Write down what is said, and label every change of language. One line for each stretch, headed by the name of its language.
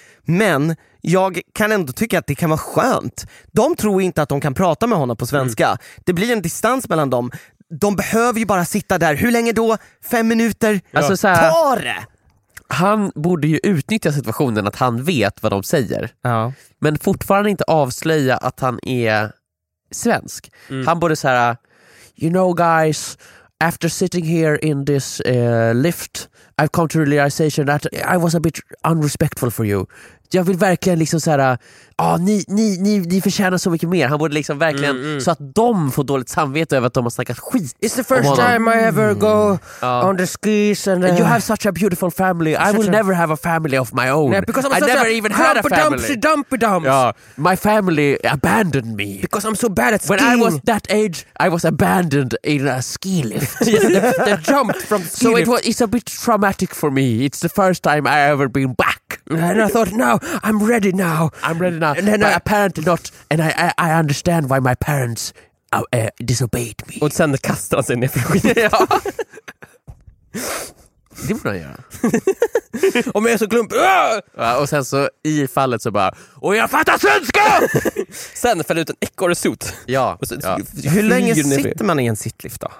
Swedish: Men jag kan ändå tycka att det kan vara skönt. De tror inte att de kan prata med honom på svenska. Det blir en distans mellan dem. De behöver ju bara sitta där. Hur länge då? 5 minuter? Alltså, så här, tar det! Han borde ju utnyttja situationen att han vet vad de säger. Ja. Men fortfarande inte avslöja att han är svensk. Mm. Han borde så här,
English: you know guys, after sitting here in this lift, I've come to realization that I was a bit unrespectful for you.
Swedish: Jag vill verkligen liksom så här, ni förtjänar så mycket mer. Han borde liksom verkligen så att de får dåligt samvete över att de har snackat skit.
English: It's the first time I ever go on the skis and you have such a beautiful family. I will never have a family of my own. Because I'm never even had a family. Dumpy-dumps. Yeah. My family abandoned me. Because I'm so bad at skiing. When I was that age, I was abandoned in a ski lift. They jumped from ski so lift. So it's a bit traumatic for me. It's the first time I ever been back. And I thought, no, I'm ready now. I'm ready now. And then but apparently not. And I understand why my parents disobeyed me.
Swedish: Och sen kastar han sig ner för skiten. Ja. Det borde han göra. Om jag är så klump. Och sen så i fallet så bara, och jag fattar svenska! Sen föll ut en ekorre sot. Ja, hur länge sitter man i en sittlift då?